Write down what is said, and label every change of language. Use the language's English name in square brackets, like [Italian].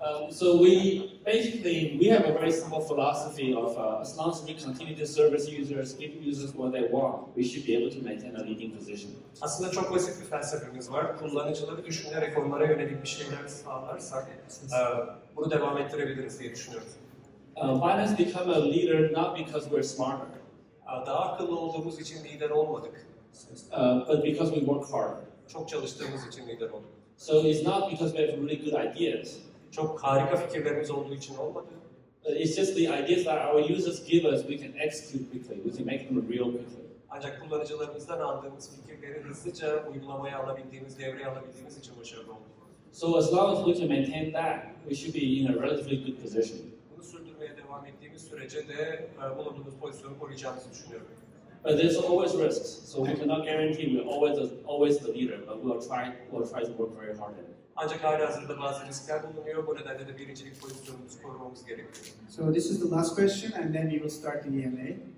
[English] So we have a very simple philosophy of as long as we continue to service users, give users what they want, we should be able to maintain a leading position. [Turkish] Aslında çok basit bir felsefemiz var. Kullanıcıları düşünerek onlara yönelik bir şeyler sağlarsak bunu devam ettirebiliriz diye düşünüyoruz. [English] Binance become a leader not because we're smarter. [Turkish] Daha akıllı olduğumuz için lider olmadık. [English] But because we work hard. [Turkish] Çok çalıştığımız için lider olduk. [English] So it's not because we have really good ideas. [Turkish] Çok harika fikirlerimiz olduğu için olmadı. [English] It's just the ideas that our users give us, we can execute quickly, we can make them real quickly. [Turkish] Ancak kullanıcılarımızdan aldığımız fikirleri hızlıca uygulamaya alabildiğimiz, devreye alabildiğimiz için başarılı olduk. [English] So as long as we can maintain that, we should be in a relatively good position. [Turkish] Bunu sürdürmeye devam ettiğimiz sürece de bulunduğumuz pozisyonu koruyacağımızı düşünüyorum. [English] But there's always risks, so we cannot guarantee we're always the leader, but we'll try to work very hard at it. [Turkish] Ancak halihazırda bazı riskler bulunuyor, bu nedenle de birincilik pozisyonumuzu korumamız gerekiyor. [English] So this is the last question and then we will start the EMA.